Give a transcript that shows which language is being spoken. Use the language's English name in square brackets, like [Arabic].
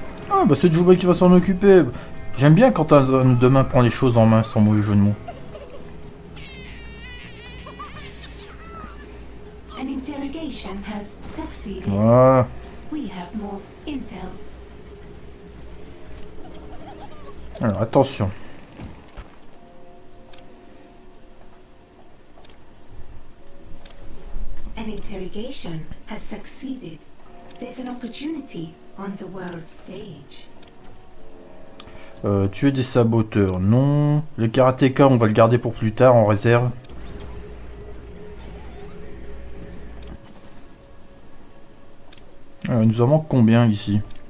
[French] Ah bah c'est Joubert qui va s'en occuper. J'aime bien quand un homme demain prend les choses en main sans mauvais jeu de mots. [English] An interrogation has succeeded. [French] Voilà. [English] We have more intel. [French] Alors, attention. [English] An interrogation has succeeded. There's an opportunity on the world stage. [French] Tuer des saboteurs, non. Le karatéka, on va le garder pour plus tard en réserve. Il nous en manque combien ici?